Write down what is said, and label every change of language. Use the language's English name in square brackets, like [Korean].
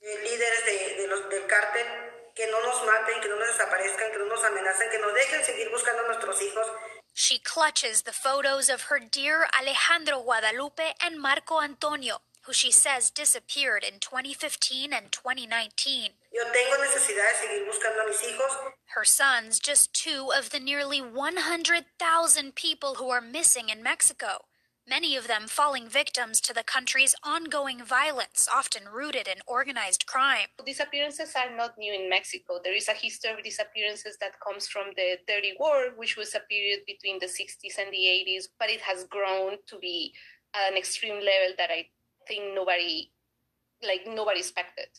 [Spanish] Líderes del cartel, que no nos maten, que no nos desaparezcan, que no nos amenacen, que no dejen seguir buscando a nuestros hijos. [English] She clutches the photos of her dear Alejandro Guadalupe and Marco Antonio, who she says disappeared in 2015 and 2019. [Spanish] Yo tengo necesidad de seguir buscando a mis hijos. [English] Her sons, just two of the nearly 100,000 people who are missing in Mexico, many of them falling victims to the country's ongoing violence, often rooted in organized crime. Disappearances are not new in Mexico. There is a history of disappearances that comes from the Dirty War, which was a period between the 60s and the 80s, but it has grown to be at an extreme level that I think nobody expected.